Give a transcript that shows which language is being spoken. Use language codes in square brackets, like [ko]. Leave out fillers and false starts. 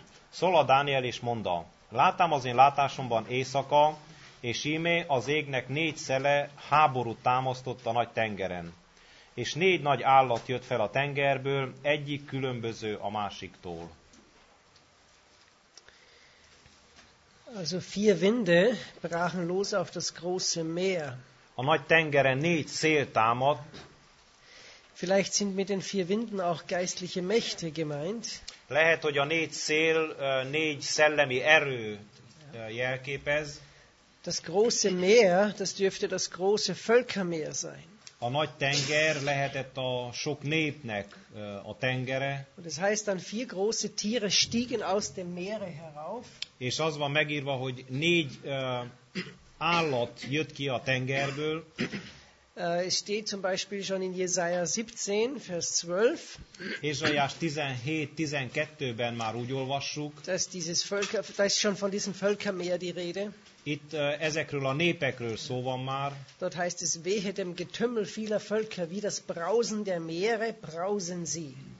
[hu] Szól a Dániel és mondá: láttam az én látásomban éjszaka, és íme az égnek négy szele háborút támasztott a nagy tengeren. És négy nagy állat jött fel a tengerből, egyik különböző a másiktól. [de] Also vier Winde brachen los auf das große Meer. [hu] A nagy tengeren négy szél támadt. [de] Vielleicht sind mit den vier Winden auch geistliche Mächte gemeint. [hu] Lehet, hogy a négy szél négy szellemi erő jelképez. [de] Das große Meer, das dürfte das große Völkermeer sein. [hu] A nagy tenger lehetett a sok népnek a tengere. [de] Und das heißt, dann vier große Tiere stiegen aus dem Meere herauf. [hu] És az van megírva, hogy négy állat jött ki a tengerből. [de] Es steht zum Beispiel schon in Jesaja 17, Vers 12. [hu] Jesajas 17:12-ben már úgy olvassuk. [de] Da ist schon von diesem Völkermeer die Rede. [hu] Itt ezekről a népekről szó van már. [de] Dort heißt es: wehe dem Getümmel vieler Völker, wie das Brausen der Meere brausen sie.